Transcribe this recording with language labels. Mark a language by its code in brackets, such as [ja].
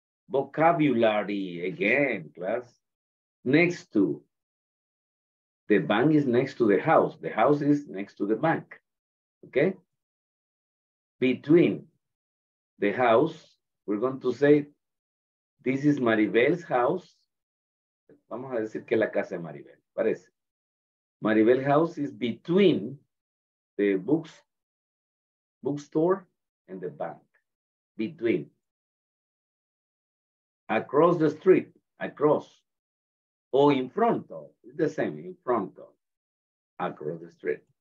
[en] Vocabulary, again, class. Next to. The bank is next to the house. The house is next to the bank. Okay? Between the house, we're going to say, this is Maribel's house. [es] Vamos a decir que es la casa de Maribel, parece. [en] Maribel's house is between the bookstore and the bank. Between. Across the street, across. Or in front of, it's the same, in front of, across the street.